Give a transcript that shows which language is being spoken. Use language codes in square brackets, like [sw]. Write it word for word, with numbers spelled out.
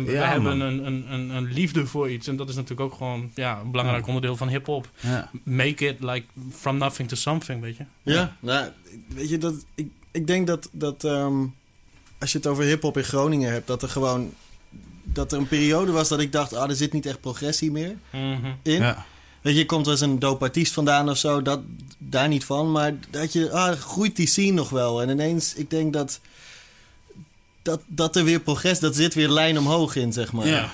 [nl] En we ja, hebben een, een, een, een liefde voor iets. En dat is natuurlijk ook gewoon ja, een belangrijk ja. onderdeel van hip-hop. Ja. [en] Make it like from nothing to something, [nl] weet je. Ja, ja. Nou, weet je, dat, ik, ik denk dat, dat um, als je het over hip-hop in Groningen hebt, dat er gewoon dat er een periode was dat ik dacht, ah, er zit niet echt progressie meer mm-hmm. in. Ja. Weet je, je komt als een dope artiest vandaan of zo, dat, daar niet van. Maar dat je, ah, groeit die scene nog wel. En ineens, ik denk dat, dat, dat er weer progress, dat zit weer lijn omhoog in, zeg maar. Yeah.